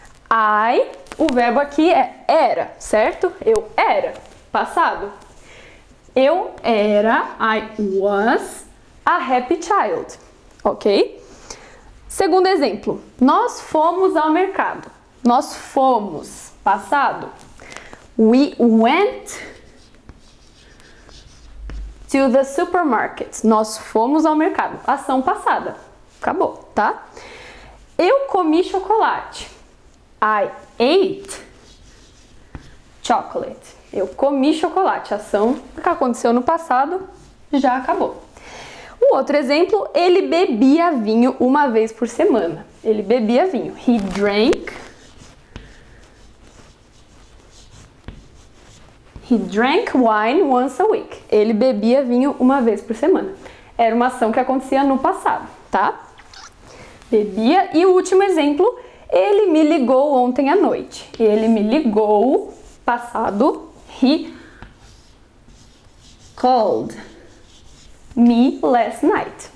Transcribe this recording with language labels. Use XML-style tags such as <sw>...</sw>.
<pt>I, o verbo aqui é era, certo? Eu era, passado. Eu era,</pt> <en>I was, a happy child,</en> <pt>ok? Segundo exemplo, nós fomos ao mercado. Nós fomos, passado.</pt> <en>We went to the supermarket.</en> <pt>Nós fomos ao mercado. Ação passada. Acabou, tá? Eu comi chocolate.</pt> <en>I ate chocolate.</en> <pt>Eu comi chocolate. Ação que aconteceu no passado já acabou. Um outro exemplo, ele bebia vinho uma vez por semana. Ele bebia vinho.</pt> <en>He drank. He drank wine once a week.</en> <pt>Ele bebia vinho uma vez por semana. Era uma ação que acontecia no passado, tá? Bebia. E o último exemplo, ele me ligou ontem à noite. Ele me ligou, passado.</pt> <en>He called me last night.</en>